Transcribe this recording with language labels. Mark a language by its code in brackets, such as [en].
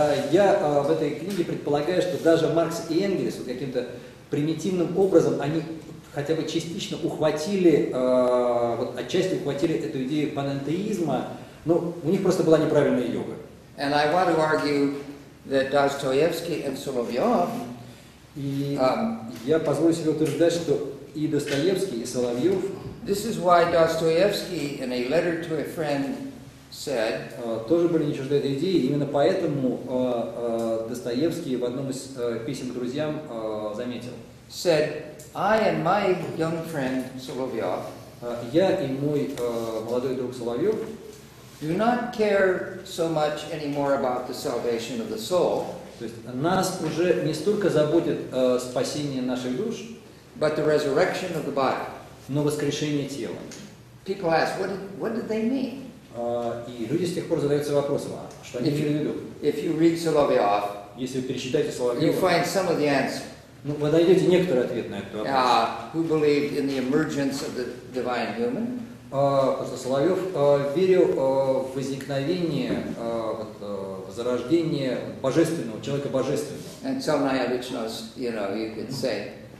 [ru] Я в этой книге предполагаю, что даже Маркс и Энгельс вот каким-то примитивным образом, они хотя бы частично ухватили, вот отчасти ухватили эту идею панентеизма, но у них просто была неправильная йога. [en] And I want to argue that Dostoevsky and Solovyov. [ru] И я позволю себе утверждать, что и Достоевский, и Соловьев. [en] This is why Dostoevsky, in a letter to a friend, said. [ru] Тоже были не чужды этой идеи. Именно поэтому Достоевский в одном из писем друзьям заметил. [en] Said, I and my young friend Solovyov. [ru] Я и мой молодой друг Соловьев. [en] Do not care so much anymore about the salvation of the soul. [ru] То есть нас уже не столько заботит спасение наших душ, [en] but the resurrection of the body. [ru] Но воскрешение тела. [en] People ask, what did they mean? [ru] И люди с тех пор задаются вопросом, а что они имели в виду? [en] If you read Solovyov, [ru] если вы перечитаете Соловьева, [en] you find some of the answer. [ru] Ну, вы найдете некоторые ответы на этот вопрос. [en] Who believed in the emergence of the divine human? [ru] Просто Соловьев верил в возникновение, зарождение божественного, человека божественного. [en] And so many religions, you know, you could say.